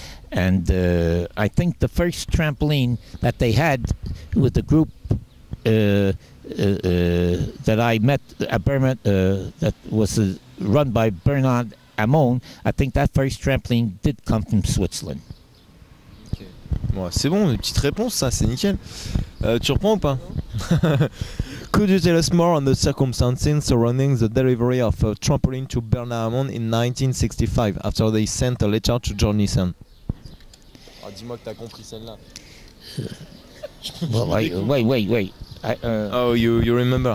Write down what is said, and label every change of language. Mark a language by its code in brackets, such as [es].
[en] And I think the first trampoline that they had with the group that I met at Berman, that was run by Bernard Amon, I think that first trampoline did come from Switzerland. Okay. [fr] Bon, c'est bon, une petite réponse, ça, c'est nickel. Tu reprends ou pas? [en] Could you tell us more on the circumstances surrounding the delivery of a trampoline to Bernard Amon in 1965 after they sent a letter to John Nissen? [fr] Dis-moi que t'as compris celle-là. [en] Well, wait. You remember.